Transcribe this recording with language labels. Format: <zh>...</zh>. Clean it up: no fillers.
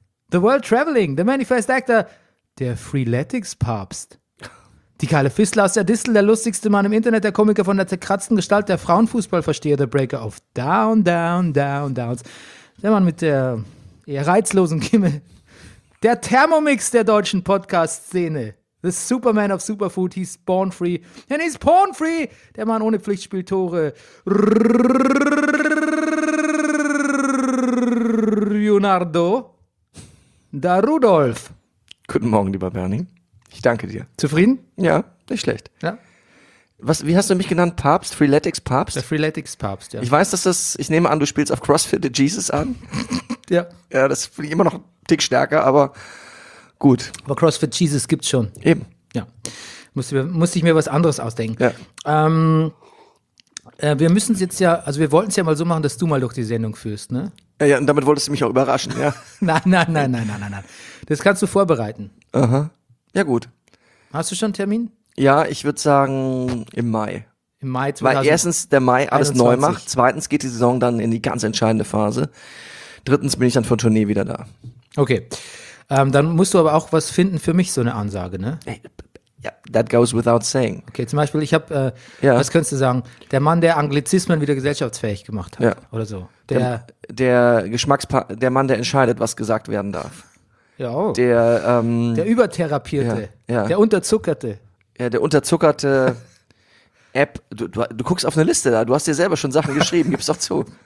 <en>The World Traveling, the Manifest Actor,</en> <de>der Freeletics-Papst. Die geile Fistler aus der Distel, der lustigste Mann im Internet, der Komiker von der zerkratzten Gestalt, der Frauenfußballversteher, der Breaker of Down, Down, Down, Downs. Der Mann mit der eher reizlosen Kimme. Der Thermomix der deutschen Podcast-Szene.</de> <en>The Superman of Superfood, he's born free. And he's porn free,</en> <de>der Mann ohne Pflichtspieltore. Leonardo. Da Rudolf. Guten Morgen, lieber Bernie. Ich danke dir. Zufrieden? Ja, nicht schlecht. Ja. Was, wie hast du mich genannt? Papst? Freeletics Papst? Der Freeletics Papst, ja. Ich weiß, dass das, ich nehme an, du spielst auf CrossFit the Jesus an. Ja. Ja, das finde ich immer noch einen Tick stärker, aber gut. Aber CrossFit Jesus gibt's schon. Eben. Ja. Musste ich mir was anderes ausdenken. Ja. Wir müssen es jetzt ja, also wir wollten es ja mal so machen, dass du mal durch die Sendung führst, ne? Ja, ja, und damit wolltest du mich auch überraschen, ja. Nein. Das kannst du vorbereiten. Aha. Ja, gut. Hast du schon einen Termin? Ja, ich würde sagen im Mai. Im Mai 2020. Weil erstens der Mai alles 21. neu macht, zweitens geht die Saison dann in die ganz entscheidende Phase, drittens bin ich dann von Tournee wieder da. Okay, dann musst du aber auch was finden für mich, so eine Ansage, ne? Ey, ja,</de> <en>that goes without saying.</en> <de>Okay, zum Beispiel, ich habe, was könntest du sagen, der Mann, der Anglizismen wieder gesellschaftsfähig gemacht hat, ja. Oder so. Der Mann, der entscheidet, was gesagt werden darf. Ja, oh. Der, der Übertherapierte, ja. Der Unterzuckerte. Ja, der Unterzuckerte App, du guckst auf eine Liste da, du hast dir selber schon Sachen geschrieben, gib's doch zu.</de>